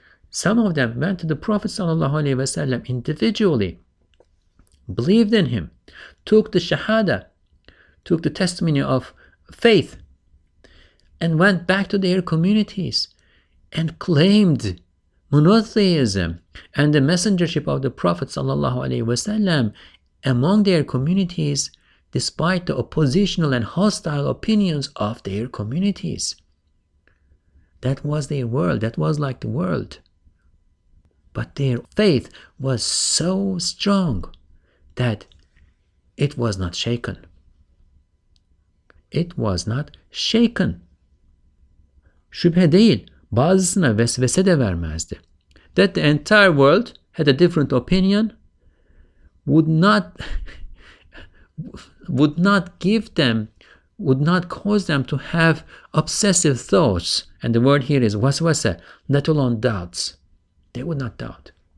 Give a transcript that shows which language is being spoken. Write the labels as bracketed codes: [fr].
[en] Some of them went to the Prophet ﷺ individually, believed in him, took the shahada, took the testimony of faith, and went back to their communities and claimed monotheism and the messengership of the Prophet ﷺ among their communities, despite the oppositional and hostile opinions of their communities. That was their world. That was like the world. But their faith was so strong that it was not shaken. it was not shaken. [tr] Şüphe değil, bazısına vesvese de vermezdi. [en] That the entire world had a different opinion would not cause them to have obsessive thoughts. And the word here is vesvese, let alone doubts. They would not doubt.